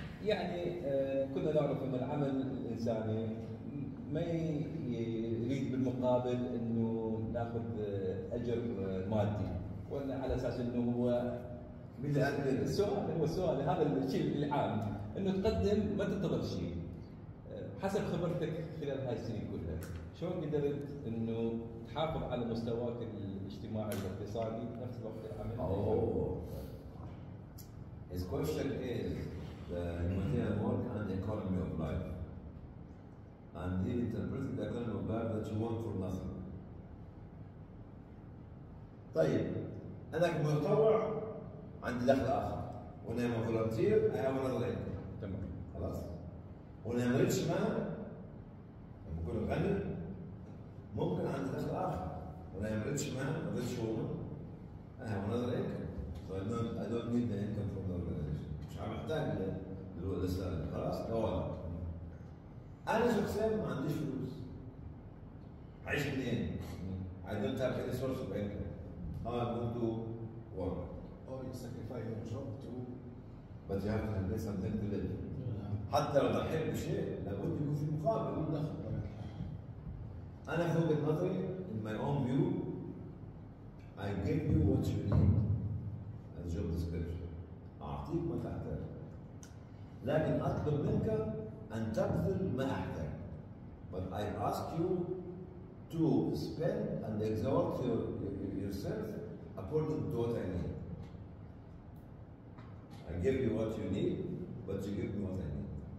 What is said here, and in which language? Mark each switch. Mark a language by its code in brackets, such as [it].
[ar] يعني كنا نعرف أن العمل الإنساني ما يريد بالمقابل انه ناخذ اجر مادي، وان على اساس انه هو السؤال، هو السؤال هذا الشيء العام انه تقدم ما تنتظر شيء. حسب خبرتك خلال هاي السنين كلها، شلون قدرت انه تحافظ على مستواك الاجتماعي والاقتصادي نفس الوقت العمل؟ [en] اوه his question is the material work and the economy of life. And he interpreted the economy of life that you work for nothing. [ar] طيب انا كمتطوع عندي دخل اخر. [en] When I'm a volunteer, I have another income. [ar] تمام. خلاص. [en] When I'm a rich man, [ar] لما اكون غني ممكن عندي دخل اخر. [en] When I'm a rich man, a rich woman, I have another income. So I don't need the income from the organization. [ar] مش عم احتاج للسالفة. خلاص؟ طوال. أنا شخصياً ما عندي فلوس. عايش منين؟ [en] I don't have any source of income. I don't do work. Oh, you sacrifice your job too. But you have to pay something to live. [ar] حتى لو ضحيت بشيء لابد يكون في مقابل دخل. أنا في وجهة نظري [en] in my own view I give you what you need as job description. [ar] أعطيك ما تحتاج. لكن أطلب منك أن تبذل ما أحتاج. [en] But I ask you to spend and exhort yourself according to what I need. I give you what you need, but you give me what I need.